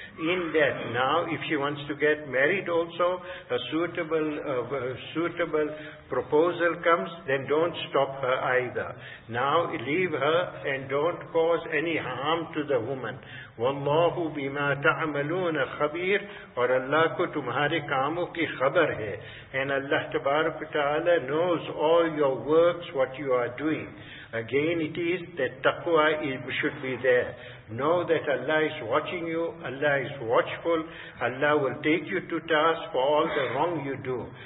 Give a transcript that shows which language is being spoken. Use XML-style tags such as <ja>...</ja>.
<en>In that, now if she wants to get married also, a suitable proposal comes, then don't stop her either. Now leave her and don't cause any harm to the woman.</en> <ar>وَاللَّهُ بِمَا تَعْمَلُونَ خَبِيرٌ.</ar> <ur>خبیر اور اللہ کو تمہارے کاموں کی خبر ہے.</ur> <en>And Allah تبارک تعالی knows all your works, what you are doing. Again, it is that taqwa should be there. Know that Allah is watching you, Allah is watchful, Allah will take you to task for all the wrong you do.</en>